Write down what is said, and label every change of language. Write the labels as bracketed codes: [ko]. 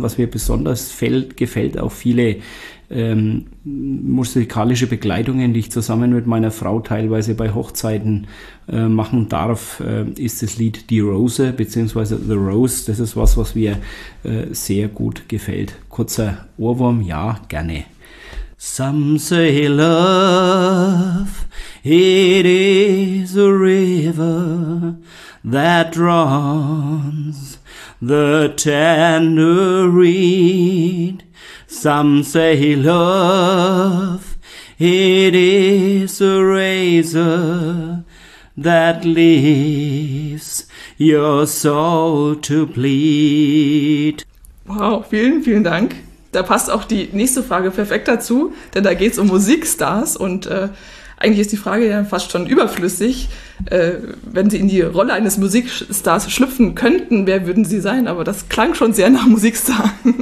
[de] Was mir besonders gefällt, auch viele musikalische Begleitungen, die ich zusammen mit meiner Frau teilweise bei Hochzeiten machen darf, ist das Lied Die Rose bzw. The Rose. Das ist was mir sehr gut gefällt. Kurzer Ohrwurm, ja, gerne. [en] Some say love, it is a river that drowns the tender reed. Some say love, it is a razor that leaves your soul to bleed. [de] Wow, vielen, vielen Dank. Da passt auch die nächste Frage perfekt dazu, denn da geht es um Musikstars. Und eigentlich ist die Frage ja fast schon überflüssig. Wenn Sie in die Rolle eines Musikstars schlüpfen könnten, wer würden Sie sein? Aber das klang schon sehr nach Musikstar.